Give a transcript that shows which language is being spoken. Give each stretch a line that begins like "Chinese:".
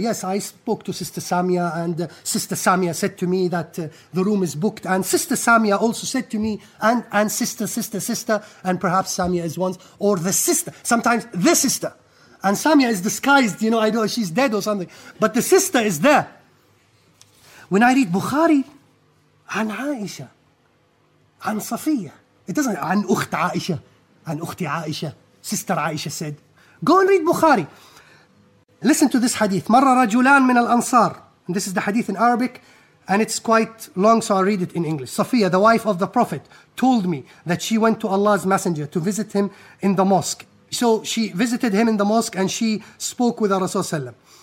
English: Yes, I spoke to Sister Samia, and Sister Samia said to me that the room is booked. And Sister Samia also said to me, and sister, and perhaps Samia is once, or the sister, sometimes the sister. And Samia is disguised, you know, I don't know, she's dead or something. But the sister is there. When I read Bukhari,
Arabic: عن عائشة, عن صفية,
English: it doesn't,
Arabic: عن أخت عائشة, عن أختي عائشة,
English: sister عائشة said. Go and read Bukhari. Listen to this hadith.
Arabic: مرة رجلان من الأنصار.
English: And this is the hadith in Arabic, and it's quite long, so I'll read it in English. Safiya, the wife of the Prophet, told me that she went to Allah's Messenger to visit him in the mosque. So she visited him in the mosque and she spoke with Rasulullah.